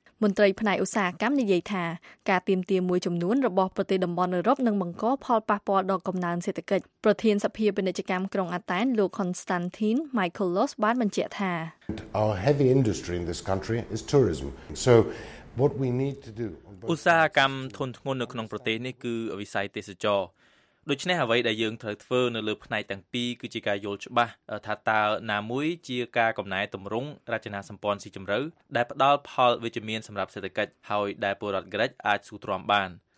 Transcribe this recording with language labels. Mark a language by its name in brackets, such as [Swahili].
[Khmer] មន្ត្រីផ្នែកឧស្សាហកម្មនិយាយថាការទាមទារមួយចំនួនរបស់ប្រទេសតំបន់អឺរ៉ុបនឹងបង្កផលប៉ះពាល់ដល់កំណើនសេដ្ឋកិច្ចប្រធានសភាពាណិជ្ជកម្មក្រុងអាតែនលោក Konstantin Michaelos បានបញ្ជាក់ថា [English] Our heavy industry in this country is tourism. So what we need to do [Khmer] ឧស្សាហកម្មធនធ្ងន់នៅក្នុងប្រទេសនេះគឺវិស័យទេសចរដូច្នេះអ្វីដែលយើងត្រូវធ្វើនៅលើផ្នែកទាំងពីរគឺជាការយល់ច្បាស់ថាតើណាមួយជាការកំណែទម្រង់រចនាសម្ព័ន្ធស៊ីជម្រៅដែលផ្ដល់ផលវិជ្ជមានសម្រាប់សេដ្ឋកិច្ចហើយដែលពលរដ្ឋក្រិចអាចស៊ូទ្រាំបាន